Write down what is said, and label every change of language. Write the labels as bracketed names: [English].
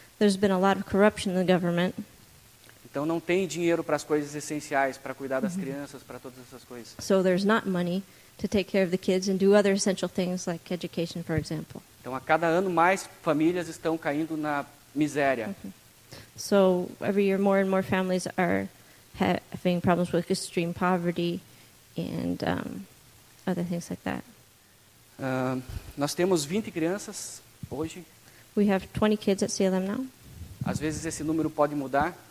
[English] There's been a lot of corruption in the government. [Portuguese] Então não tem dinheiro para as coisas essenciais, para cuidar das crianças, para todas essas coisas. [English] So there's not money to take care of the kids and do other essential things like education, for example. [Portuguese] Então, a cada ano, mais famílias estão caindo na miséria. [English] So, every year, more and more families are having problems with extreme poverty and other things like that. [Portuguese] Nós temos 20 crianças hoje. [English] We have 20 kids at CLM now. [Portuguese] Às vezes, esse número pode mudar.